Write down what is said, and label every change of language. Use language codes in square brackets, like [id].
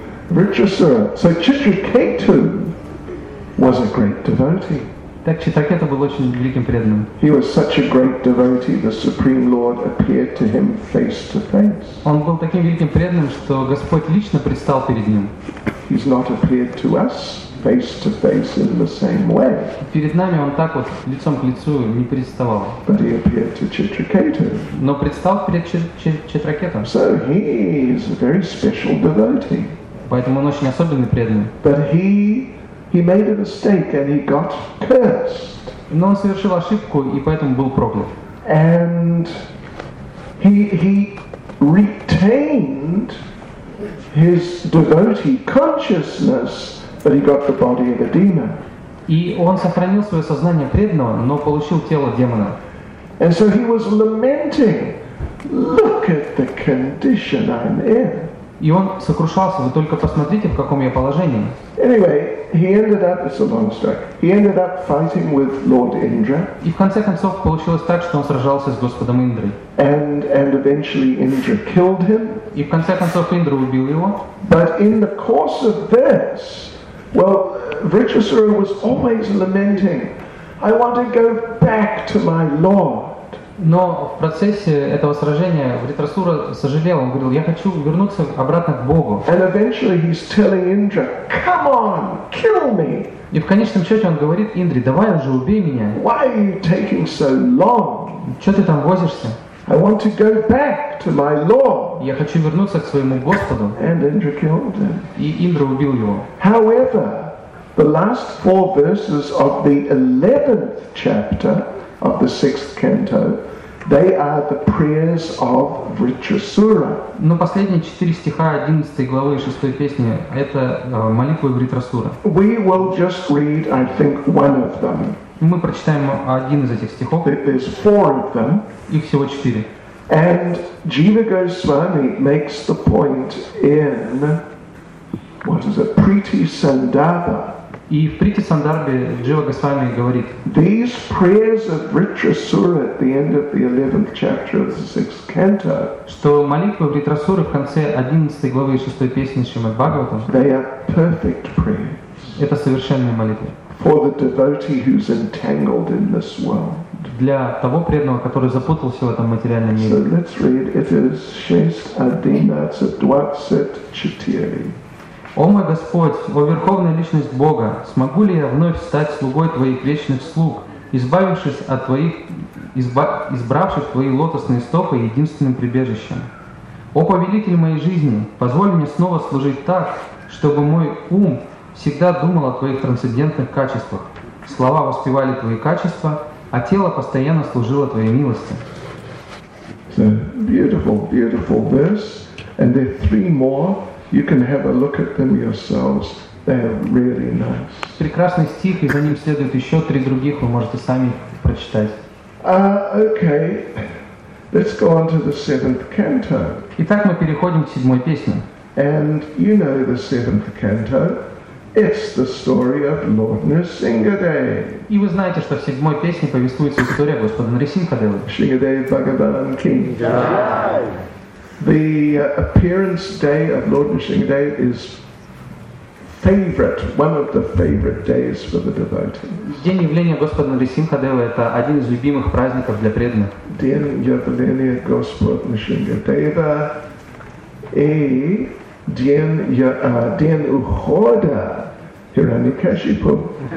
[en] Ritrasura. So Chitraketu was a great devotee. [ru] Так Читракета был очень великим преданным. [en] He was such a great devotee, the Supreme Lord appeared to him face to face. [ru] Он был таким великим преданным, что Господь лично предстал перед ним. [en] He's not appeared to us face to face in the same way. [ru] Перед нами он так вот лицом к лицу не представал. [en] But he appeared to Chitraketu. [ru] Но предстал перед Читракетом. [en] So he is a very special devotee. [ru] Поэтому он очень особенный преданный. [en] But he made a mistake and he got cursed. [ru] Но он совершил ошибку и поэтому был проклят. [en] And he retained his devotee consciousness, but he got the body of a demon. [ru] И он сохранил свое сознание преданного, но получил тело демона. [en] And so he was lamenting, look at the condition I'm in. [ru] И он сокрушался, вы только посмотрите, в каком я положении. [en] Anyway, he ended up, it's a long story, he ended up fighting with Lord Indra. [ru] И в конце концов получилось так, что он сражался с Господом Индрой. [en] And eventually Indra killed him. [ru] И в конце концов Индра убил его. [en] But in the course of this, well, Ritrasura was always lamenting, I want to go back to my Lord. [ru] Но в процессе этого сражения Ритрасура сожалел, он говорил, я хочу вернуться обратно к Богу. [en] And eventually he's telling Indra, come on, kill me. [ru] И в конечном счете он говорит Индре, давай уже убей меня. [en] Why are you taking so long? [ru] Че ты там возишься? [en] I want to go back to my Lord. [ru] Я хочу вернуться к своему Господу. [en] And Indra killed him. [ru] И Индра убил его. [en] However, the last four verses of the 11th chapter of the sixth canto, they are the prayers of Ritrasura. [ru] Но последние четыре стиха 11 главы 6 песни это молитвы Ритрасура. [en] We will just read, I think, one of them. [ru] Мы прочитаем один из этих стихов. [en] There's four of them. [ru] Их всего четыре. [en] And Jiva Goswami makes the point in what is it, Priti Sandarbha. [ru] И в Прити Сандарбе Джива Госвами говорит: [en] These prayers of Ritrasura at the end of the 11th chapter of the 6th canto, [ru] что молитвы Ритрасуры в конце 11 главы 6 песни Шримад Бхагаватам, [en] they are perfect prayers. [ru] Это совершенные молитвы. [en] For the devotee who's entangled in this world. [ru] Для того преданного, который запутался в этом материальном мире. [en] So let's read. It is Shesht Adinatsa Dwatsit Chitiri. [ru] О мой Господь, о Верховная Личность Бога, смогу ли я вновь стать слугой Твоих вечных слуг, избавившись от Твоих, избравших Твои лотосные стопы единственным прибежищем? О повелитель моей жизни, позволь мне снова служить так, чтобы мой ум всегда думал о Твоих трансцендентных качествах, слова воспевали Твои качества, а тело постоянно служило Твоей милости. [en] It's a beautiful, beautiful verse, and there are three more. You can have a look at them yourselves. They are really nice. [ru] Прекрасный стих, и за ним следует еще три других. Вы можете сами прочитать. [en] Okay. Let's go on to the seventh canto. [ru] Итак, мы переходим к седьмой песне. [en] And you know the seventh canto. It's the story of Lord Nrisimhadev. [ru] И вы знаете, что в седьмой песне повествуется история господа Нрисимхадева. Shingadev Bhagavan King. [en] The appearance day of Lord Nrisimhadev is favorite, one of the favorite days for the devotees. [ru] День явления Господа Нрисимхадева – это один из любимых праздников для преданных. День явления Господа Нрисимхадева и день ухода Хираньякашипу.